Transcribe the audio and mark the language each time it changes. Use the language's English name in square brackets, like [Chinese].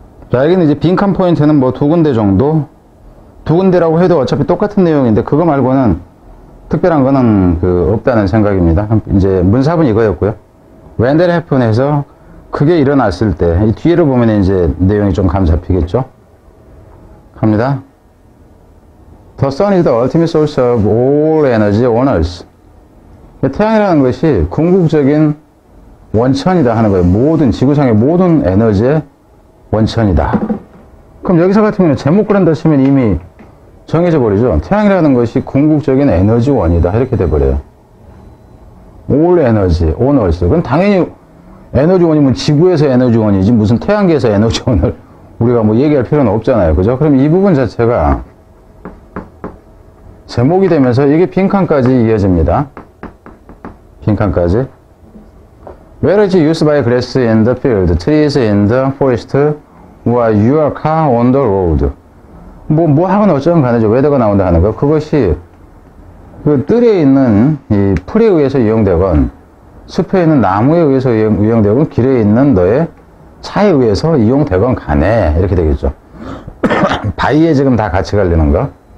[Korean] 자, 여기는 이제 빈칸 포인트는 뭐두 군데 정도? 두 군데라고 해도 어차피 똑같은 내용인데 그거 말고는 특별한 거는 없다는 생각입니다. 이제 문사분 이거였고요. [English] When that happened [Korean] 에서 크게 일어났을 때, 이 뒤에를 보면 이제 내용이 좀 감 잡히겠죠? 갑니다. [English] The sun is the ultimate source of all energy on earth. [Korean] 태양이라는 것이 궁극적인 원천이다 하는 거예요. 모든, 지구상의 모든 에너지의 원천이다. 그럼 여기서 같은 경우는 제목 그런다 치면 이미 정해져 버리죠. 태양이라는 것이 궁극적인 에너지원이다. 이렇게 돼 버려요. [English] All energy on earth. [Korean] 그럼 당연히 에너지원이면 지구에서 에너지원이지 무슨 태양계에서 에너지원을 우리가 뭐 얘기할 필요는 없잖아요. 그죠? 그럼 이 부분 자체가 제목이 되면서 이게 빈칸까지 이어집니다. 빈칸까지. [English] Where is used by grass in the field, trees in the forest, or your car on the road? [Korean] 뭐 하건 어쩌건 간에 weather가 나온다 하는 거. 그것이 그 뜰에 있는 이 풀에 의해서 이용되건, 숲에 있는 나무에 의해서 이용되건, 길에 있는 너의 차에 의해서 이용되건 간에 이렇게 되겠죠. 바위에 지금 다 같이 갈리는 거.